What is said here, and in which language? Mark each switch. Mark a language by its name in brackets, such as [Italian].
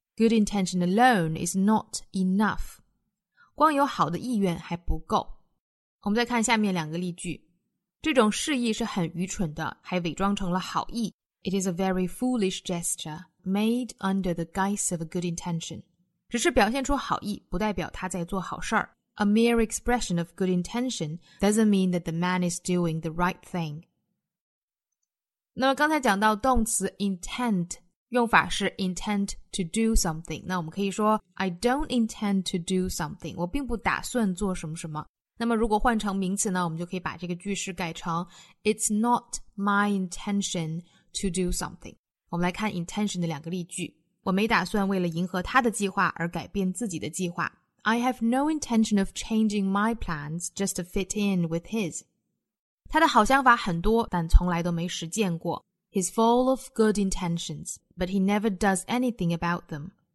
[English] good intention alone is not enough， [Chinese] 光有好的意愿还不够。我们再看下面两个例句。这种示意是很愚蠢的，还伪装成了好意。 [English] It is a very foolish gesture made under the guise of a good intention. [Chinese] 只是表现出好意不代表他在做好事儿。 [English] A mere expression of good intention doesn't mean that the man is doing the right thing. [Chinese] 那么刚才讲到动词 intent, 用法是 [English] intend to do something. [Chinese] 那我们可以说 [English] I don't intend to do something. [Chinese] 我并不打算做什么什么。那么如果换成名词呢，我们就可以把这个句式改成 [English] It's not my intention to do something. [Chinese] 我们来看 intention 的两个例句。我没打算为了迎合他的计划而改变自己的计划。 [English] I have no intention of changing my plans just to fit in with his. [Chinese] 他的好想法很多，但从来都没实践过。 [English] He's full of good intentions, but he never does anything about them.